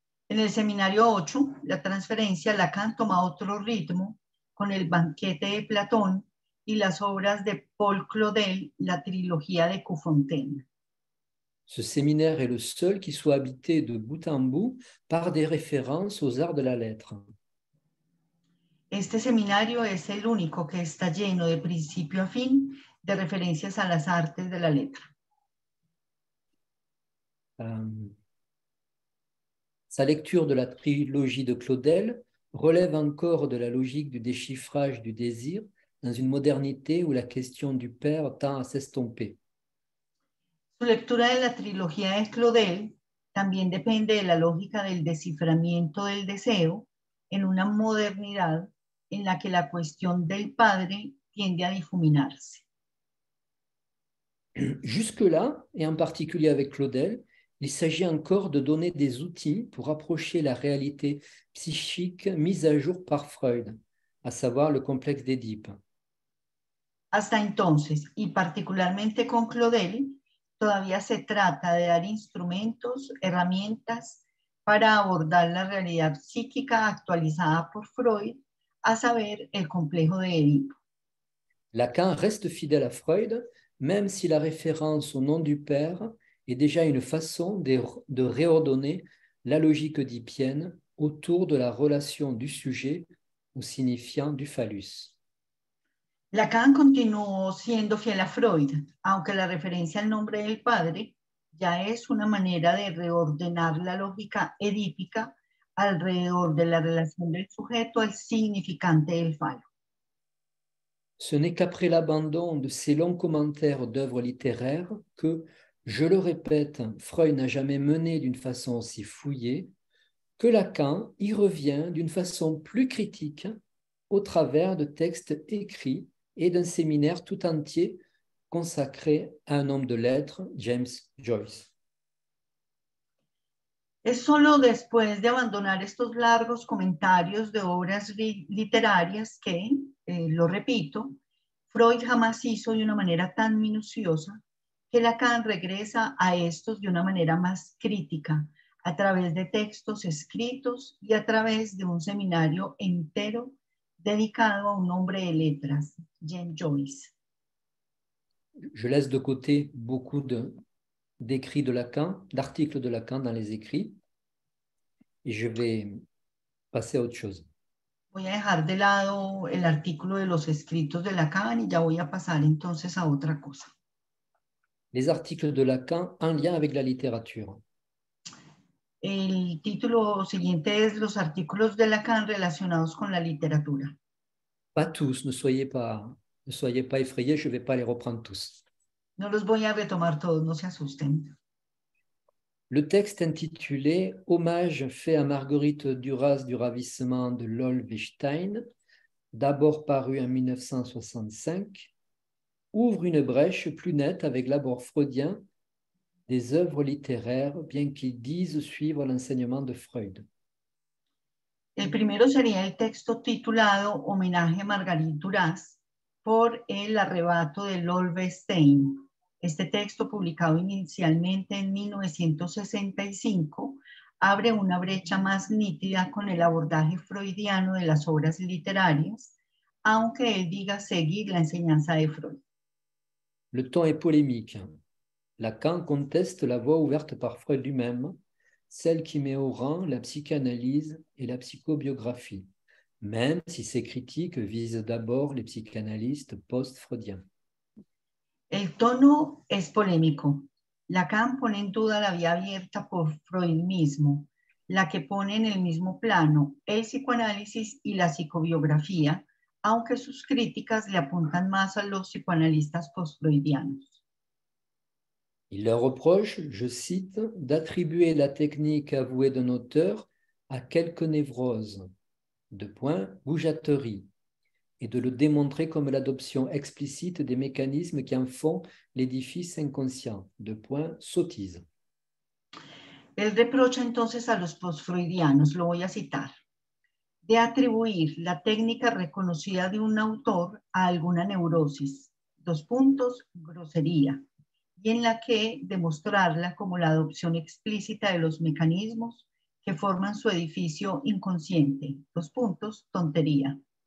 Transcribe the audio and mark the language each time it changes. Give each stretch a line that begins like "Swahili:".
Spanish: En el seminario 8, la transferencia, Lacan toma otro ritmo con el banquete de Platón y las obras de Paul Claudel, la trilogía de coups fontaines.
French: Ce séminaire est le seul qui soit habité de bout en bout par des références aux arts de la lettre.
Spanish: Este seminario es el único que está lleno de principio a fin de referencias a las artes de la letra.
French: Sa lecture de la trilogie de Claudel relève encore de la logique du déchiffrage du désir dans une modernité où la question du père tend à s'estomper.
Spanish: Su lectura de la trilogía de Claudel también depende de la lógica del desciframiento del deseo en una modernidad en la que la cuestión del padre tiende a difuminarse.
French: Jusque-là, et en particulier avec Claudel, il s'agit encore de donner des outils pour approcher la réalité psychique mise à jour par Freud, à savoir le complexe d'Édipe.
Spanish: Hasta entonces, y particularmente con Claudel, todavía se trata de dar instrumentos, herramientas para abordar la realidad psíquica actualizada por Freud, a saber, el complejo de Édipo.
French: Lacan reste fidèle à Freud, même si la référence au nom du père est déjà une façon de réordonner la logique oedipienne autour de la relation du sujet au signifiant du phallus.
Spanish: Lacan continuó siendo fiel a Freud, aunque la referencia al nombre del padre ya es una manera de reordenar la lógica edípica alrededor de la relación del sujeto al significante del falo.
French: Ce n'est qu'après l'abandon de ces longs commentaires d'œuvres littéraires que, je le répète, Freud n'a jamais mené d'une façon aussi fouillée, que Lacan y revient d'une façon plus critique au travers de textes écrits et d'un séminaire tout entier consacré à un homme de lettres, James Joyce.
Spanish: Es solo después de abandonar estos largos comentarios de obras literarias que, lo repito, Freud jamás hizo de una manera tan minuciosa que Lacan regresa a estos de una manera más crítica, a través de textos escritos y a través de un seminario entero dedicado a un hombre de letras, James Joyce.
French: Je laisse de côté beaucoup d'écrits de Lacan, d'articles de Lacan dans les écrits, et je vais passer à autre chose.
Spanish: Voy a dejar de lado el artículo de los escritos de Lacan y ya voy a pasar entonces a otra cosa.
French: Les articles de Lacan en lien avec la littérature.
Spanish: El título siguiente es los artículos de Lacan relacionados con la literatura.
French: Pas tous, ne soyez pas effrayés, je ne vais pas les reprendre tous.
Spanish: No los voy a retomar todos, no se asusten.
French: Le texte intitulé « Hommage fait à Marguerite Duras du ravissement de Lolvestein », d'abord paru en 1965, ouvre une brèche plus nette avec l'abord freudien des œuvres littéraires, bien qu'ils disent suivre l'enseignement de Freud.
Spanish: El primero sería el texto titulado « Homenaje a Marguerite Duras por el arrebato de Lolvestein ». Este texto, publicado inicialmente en 1965, abre una brecha más nítida con el abordaje freudiano de las obras literarias, aunque él diga seguir la enseñanza de Freud.
French: Le ton est polémique. Lacan conteste la voie ouverte par Freud lui-même, celle qui met au rang la psychanalyse et la psychobiographie, même si ses critiques visent d'abord les psychanalystes post-freudiens.
Spanish: El tono es polémico. Lacan pone en duda la vía abierta por Freud mismo, la que pone en el mismo plano el psicoanálisis y la psicobiografía, aunque sus críticas le apuntan más a los psicoanalistas post-freudianos.
French: Il leur reproche, je cite, d'attribuer la technique avouée d'un auteur à quelques névroses, de point goujaterie, et de le démontrer comme l'adoption explicite des mécanismes qui en font l'édifice inconscient, de point sottise.
Spanish: Él reprocha entonces a los post-freudianos, lo voy a citar, de atribuir la técnica reconocida de un autor a alguna neurosis, dos puntos, grosería, y en la que demostrarla como la adopción explícita de los mecanismos que forman su edificio inconsciente, dos puntos, tontería.